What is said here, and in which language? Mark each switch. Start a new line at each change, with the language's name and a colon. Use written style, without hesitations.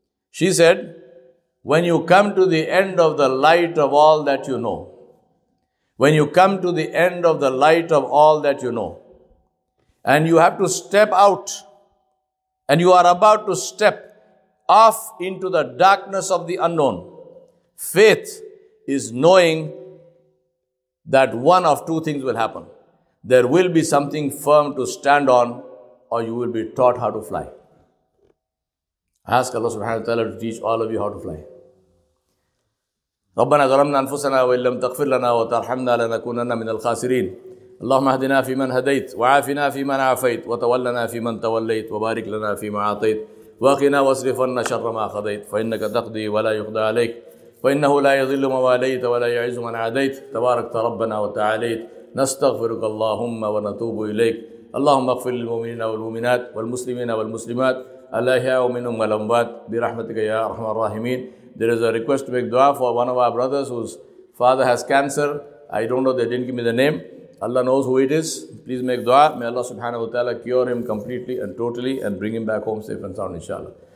English: She said, when you come to the end of the light of all that you know, when you come to the end of the light of all that you know, and you have to step out and you are about to step off into the darkness of the unknown, faith is knowing that one of two things will happen. there will be something firm to stand on, or you will be taught how to fly. Ask Allah subhanahu wa ta'ala to teach all of you how to fly.
Arabic: ربنا ظلمنا انفسنا وان لم تغفر لنا وترحمنا لنكونن من الخاسرين اللهم اهدنا في من هديت وعافنا في من عافيت وتولنا في من توليت وبارك لنا فيما اعطيت واقنا واصرف عنا شر ما قضيت فانك تقضي ولا يقضى عليك فانه لا يضل من واليت ولا يعز من عاديت تبارك ربنا وتعاليت نستغفرك اللهم ونتوب اليك اللهم اغفر للمؤمنين والمؤمنات والمسلمين والمسلمات الاحياء منهم والاموات برحمتك يا ارحم الراحمين.
English: There is a request to make dua for one of our brothers whose father has cancer. I don't know, they didn't give me the name. Allah knows who it is. Please make dua. May Allah subhanahu wa ta'ala cure him completely and totally and bring him back home safe and sound, inshallah.